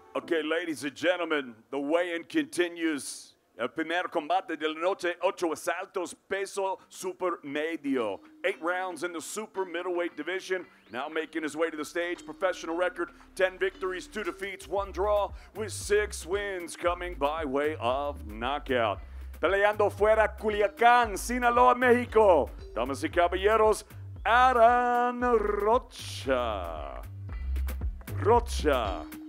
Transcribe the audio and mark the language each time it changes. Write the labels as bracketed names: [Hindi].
[English] Okay, ladies and gentlemen, the weigh-in continues. [Spanish] El primer combate de la noche, ocho asaltos, peso super medio. [English] Eight rounds in the super middleweight division. Now making his way to the stage, professional record, 10 victories, 2 defeats, 1 draw, with 6 wins coming by way of knockout. [Spanish] Peleando fuera Culiacán, Sinaloa, México. Damas y caballeros, Aaron Rocha. Rocha.